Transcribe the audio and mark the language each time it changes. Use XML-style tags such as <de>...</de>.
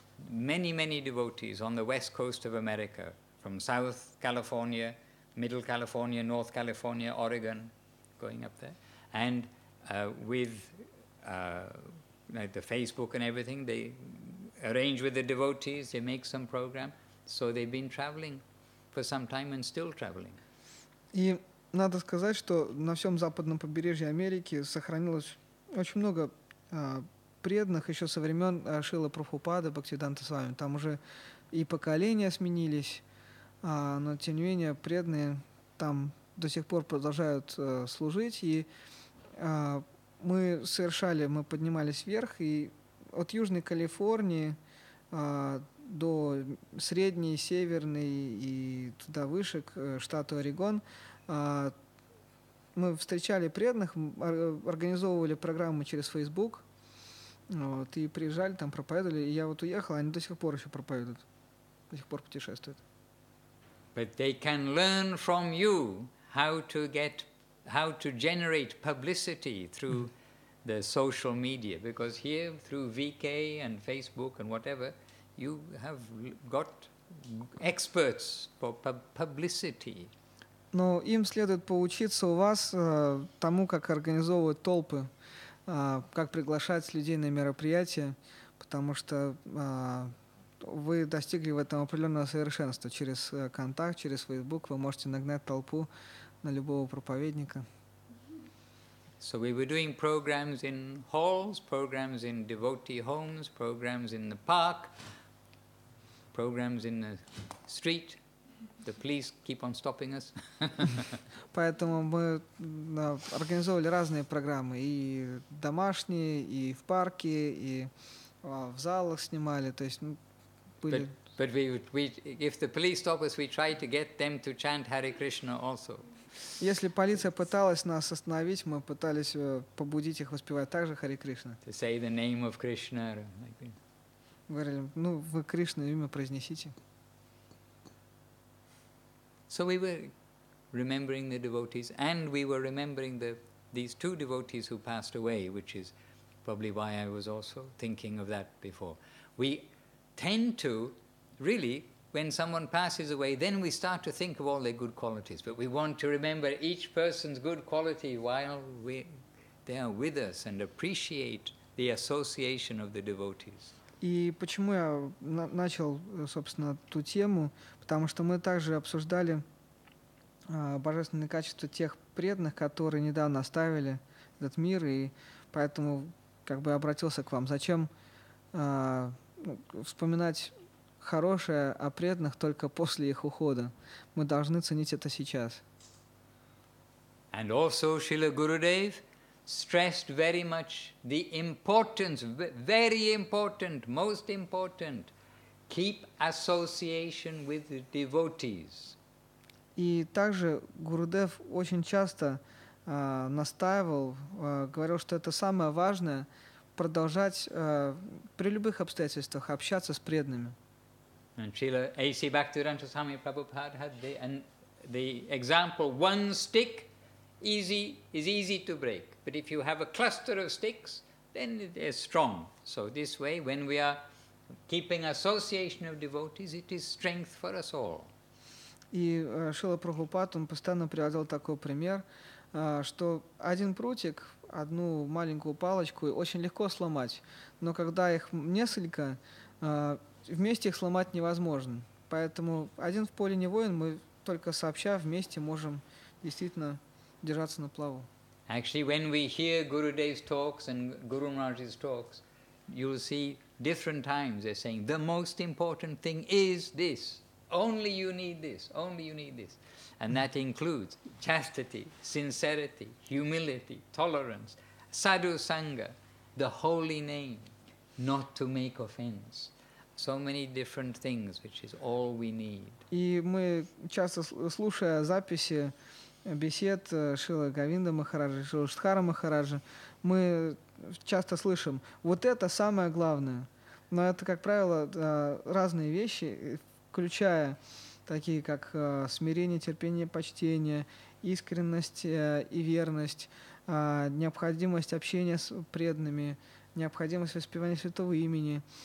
<en>many, many devotees on the west coast of America, from South California, Middle California, North California, Oregon, going up there. And with the Facebook and everything, they arrange with the devotees, they make some program. So they've been traveling for some time and still traveling.</en> <ru>И надо сказать, что на всем западном побережье Америки сохранилось очень много преданных еще со времен Шрилы Прабхупады, Бхактивиданта Свами. Там уже и поколения сменились, но тем не менее преданные там до сих пор продолжают служить. И мы совершали, мы поднимались вверх, и от Южной Калифорнии до Средней, Северной и туда выше, к штату Орегон, мы встречали преданных, организовывали программы через Facebook, вот, и приезжали, там проповедовали. И я вот уехал, они до сих пор еще проповедуют, до сих пор путешествуют.</ru> <en>But they can learn from you how to generate publicity through the social media, because here through VK and Facebook and whatever, you have got experts for publicity.</en> <ru>Но им следует поучиться у вас тому, как организовывать толпы, как приглашать людей на мероприятия, потому что вы достигли в этом определенного совершенства. Через контакт, через Facebook вы можете нагнать толпу на любого проповедника.</ru> <en>So we were doing programs in halls, programs in devotee homes, programs in the park, programs in the street. The police keep on stopping us.</en> <ru>Поэтому мы организовывали разные программы, и домашние, и в парке, и в залах снимали, то есть были.</ru> <en>But we, if the police stop us, we try to get them to chant Hare Krishna also.</en> <ru>Если полиция пыталась нас остановить, мы пытались побудить их воспевать также Хари Кришна.</ru> <en>To say the name of Krishna.</en> <ru>Говорили, ну вы Кришна имя произнесите.</ru> <en>So we were remembering the devotees, and we were remembering these two devotees who passed away, which is probably why I was also thinking of that before. We tend to, really, when someone passes away, then we start to think of all their good qualities. But we want to remember each person's good quality while they are with us and appreciate the association of the devotees.</en> <ru>И почему я начал, собственно, ту тему? Потому что мы также обсуждали божественные качества тех преданных, которые недавно оставили этот мир, и поэтому как бы обратился к вам. Зачем вспоминать хорошее о преданных только после их ухода? Мы должны ценить это сейчас.</ru> <en>And also Srila Gurudev stressed very much the importance, very important, most important, keep association with the devotees.</en> <ru>И также Гурудев очень часто настаивал, говорил, что это самое важное, продолжать при любых обстоятельствах общаться с преданными.</ru> <en>And Srila A.C. Bhaktivedanta Swami Prabhupada had the example, one stick is easy to break. But if you have a cluster of sticks, then they're strong. So this way, when we are keeping association of devotees, it is strength for us all.</en> <ru>И Шрила Прабхупада, он постоянно приводил такой пример, что один прутик, одну маленькую палочку, очень легко сломать. Но когда их несколько, вместе их сломать невозможно. Поэтому один в поле не воин, мы только сообща вместе можем действительно держаться на плаву.</ru> <en>Actually, when we hear Gurudev's talks and Guru Maharaj's talks, you'll see different times they're saying, the most important thing is this. Only you need this. Only you need this. And that includes chastity, sincerity, humility, tolerance, sadhu sangha, the holy name, not to make offense. So many different things, which is all we need.</en> <ru>И мы часто, слушая записи бесед Шрилы Говинда Махараджа, Шрилы Штхара Махараджа, мы часто слышим, вот это самое главное. Но это, как правило, разные вещи, включая такие, как смирение, терпение, почтение, искренность и верность, необходимость общения с преданными, необходимость воспевания святого имени</ru>